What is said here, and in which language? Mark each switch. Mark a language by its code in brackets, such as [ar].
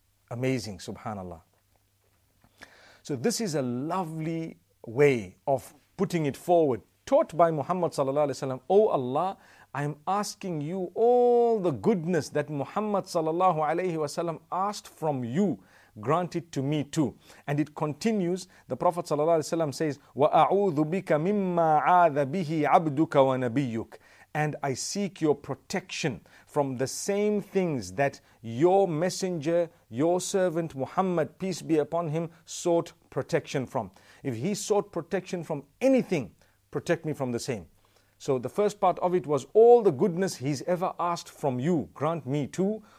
[en] Amazing, subhanallah. So this is a lovely way of putting it forward, taught by Muhammad sallallahu alaihi wasallam. O Allah, I am asking you all the goodness that Muhammad sallallahu alaihi wasallam asked from you, grant it to me too. And it continues. The Prophet [ar] sallallahu alaihi wasallam says, وَأَعُوذُ بِكَ مِمَّا عَاذَ بِهِ عَبْدُكَ وَنَبِيُّكَ. [en] And I seek your protection from the same things that your messenger, your servant Muhammad, peace be upon him, sought protection from. If he sought protection from anything, protect me from the same. So the first part of it was all the goodness he's ever asked from you, grant me too.